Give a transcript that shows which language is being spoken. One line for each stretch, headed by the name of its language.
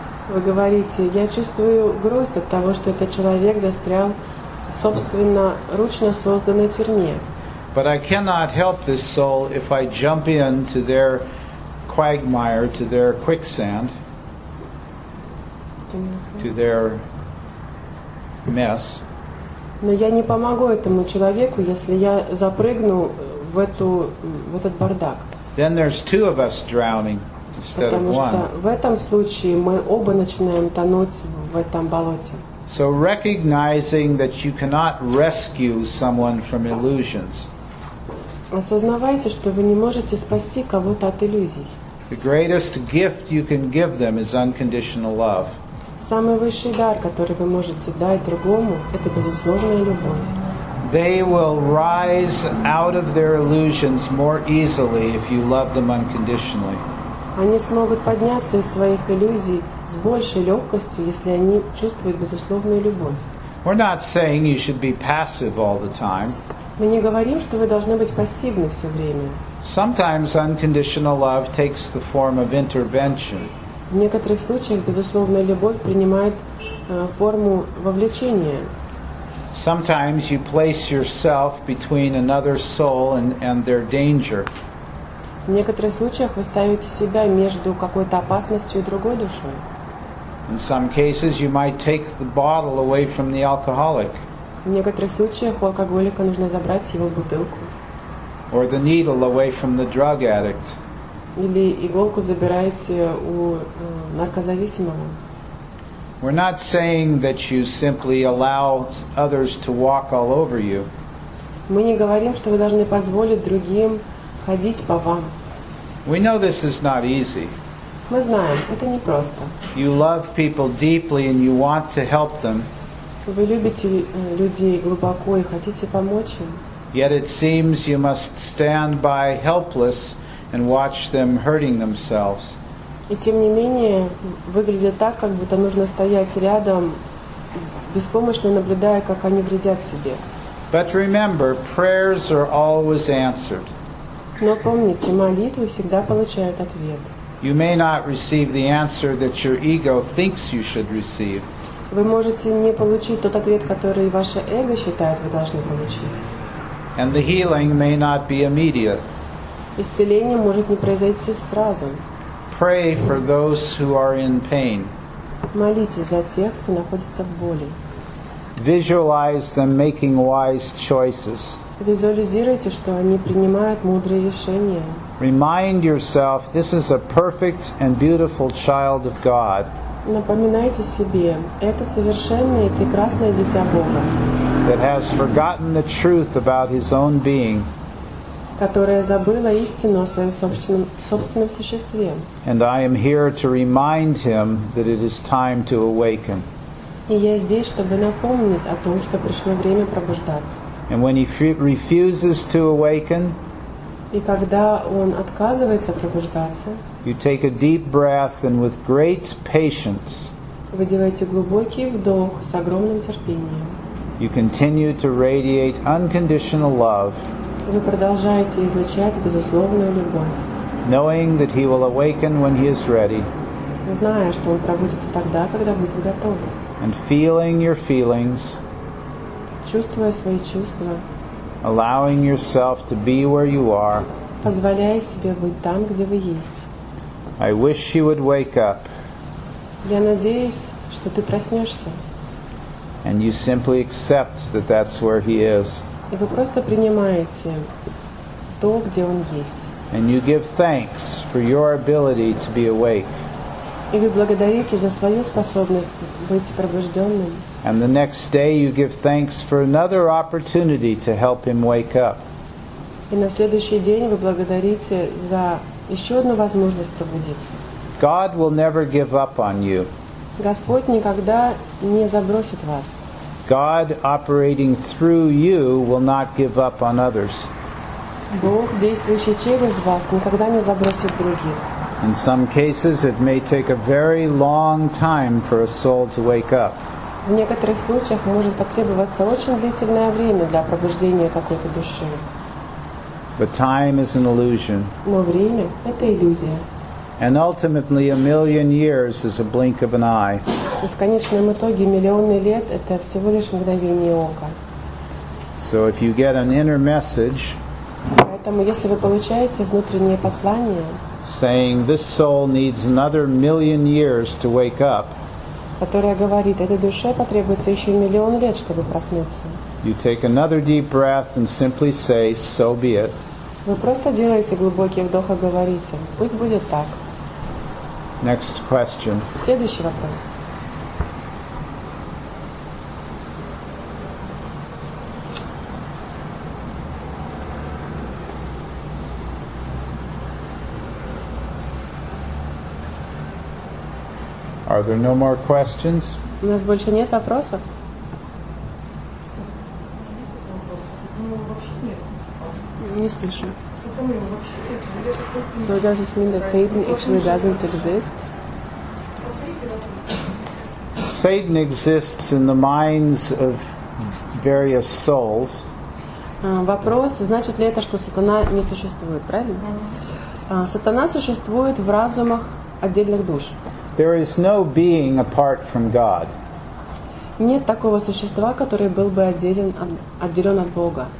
Russian: Вы говорите, я чувствую грусть от того, что этот человек застрял в собственноручно созданной тюрьме.
English: But I cannot help this soul if I jump into their quagmire, to their quicksand, to their mess.
Russian: Но я не помогу этому человеку, если я запрыгну в эту в этот бардак.
English: Then there's two of us drowning instead of one.
Russian: Потому что в этом случае мы оба начинаем тонуть в этом болоте.
English: So recognizing that you cannot rescue someone from illusions.
Russian: Осознавайте, что вы не можете спасти кого-то от иллюзий.
English: The greatest gift you can give them is unconditional love.
Russian: Самый высший дар, который вы можете дать другому, это безусловная любовь.
English: They will rise out of their illusions more easily if you love them unconditionally.
Russian: Они смогут подняться из своих иллюзий с большей легкостью, если они чувствуют безусловную любовь.
English: We're not saying you should be passive all the time.
Russian: Мы не говорим, что вы должны быть пассивны все время.
English: Sometimes unconditional love takes the form of intervention.
Russian: В некоторых случаях безусловная любовь принимает форму вовлечения.
English: Sometimes you place yourself between another soul and their danger.
Russian: В некоторых случаях вы ставите себя между какой-то опасностью и другой душой.
English: In some cases you might take the bottle away from the alcoholic.
Russian: В некоторых случаях у алкоголика нужно забрать его бутылку.
English: Or the needle away from the drug addict.
Russian: Или иголку забираете у наркозависимого.
English: We're not saying that you simply allow others to walk all over you.
Russian: Мы не говорим, что вы должны позволить другим ходить по вам.
English: We know this is not easy.
Russian: Мы знаем, это непросто.
English: You love people deeply and you want to help them.
Russian: Вы любите людей глубоко и хотите помочь им.
English: Yet it seems you must stand by helpless and watch them hurting themselves.
Russian: И тем не менее, выглядит так, как будто нужно стоять рядом, беспомощно наблюдая, как они вредят себе.
English: But remember, prayers are always answered.
Russian: Но помните, молитвы всегда получают ответ.
English: You may not receive the answer that your ego thinks you should receive.
Russian: Вы можете не получить тот ответ, который ваше эго считает, вы должны получить.
English: And the healing may not be immediate.
Russian: Исцеление может не произойти сразу.
English: Pray for those who are in pain.
Russian: Молитесь за тех, кто находится в боли.
English: Visualize them making wise choices.
Russian: Визуализируйте, что они принимают мудрые решения.
English: Remind yourself, this is a perfect and beautiful child of God.
Russian: Напоминайте себе, это совершенное и прекрасное дитя Бога.
English: That has forgotten the truth about his own being.
Russian: Которая забыла истину о своем собственном существе.
English: And I am here to remind him that it is time to awaken.
Russian: И я здесь, чтобы напомнить о том, что пришло время пробуждаться.
English: And when he refuses to awaken,
Russian: и когда он отказывается пробуждаться,
English: you take a deep breath and with great patience,
Russian: вы делаете глубокий вдох с огромным терпением.
English: You continue to radiate unconditional love.
Russian: Вы продолжаете излучать безусловную любовь.
English: Knowing that he will awaken when he is ready.
Russian: Зная, что он пробудится тогда, когда будет готов.
English: And feeling your feelings.
Russian: Чувствуя свои чувства.
English: Allowing yourself to be where you are.
Russian: Позволяя себе быть там, где вы есть.
English: I wish you would wake up.
Russian: Я надеюсь, что ты проснешься.
English: And you simply accept that that's where he is.
Russian: И вы просто принимаете то, где он есть.
English: And you give thanks for your ability to be awake.
Russian: И вы благодарите за свою способность быть пробужденным.
English: And the next day you give thanks for another opportunity to help him wake up.
Russian: И на следующий день вы благодарите за еще одну возможность пробудиться.
English: God will never give up on you.
Russian: Господь никогда не забросит вас.
English: God operating through you will not give up on others.
Russian: Бог, действующий через вас, никогда не забросит других.
English: In some cases, it may take a very long time for a soul to wake up.
Russian: В некоторых случаях может потребоваться очень длительное время для пробуждения какой-то души.
English: But time is an illusion.
Russian: Но время — это иллюзия.
English: And ultimately, a million years is a blink of an eye.
Russian: В конечном итоге миллионы лет — это всего лишь мгновение ока.
English: So if you get an inner message,
Russian: поэтому если вы получаете внутреннее послание,
English: saying this soul needs another million years to wake up,
Russian: которая говорит, этой душе потребуется еще миллион лет, чтобы проснуться.
English: You take another deep breath and simply say, "So be it."
Russian: Вы просто делаете глубокий вдох и говорите, пусть будет так.
English: Next question.
Russian: Следующий вопрос.
English: Are there no more questions?
Russian: У нас больше нет вопросов?
English: So does this mean that Satan actually doesn't exist? Satan exists in the minds of various souls.
Russian: Вопрос, значит ли это, что сатана не существует, правильно? Сатана существует в разумах отдельных душ.
English: There is no being apart from God.
Russian: Нет такого существа, который был бы отделен от Бога.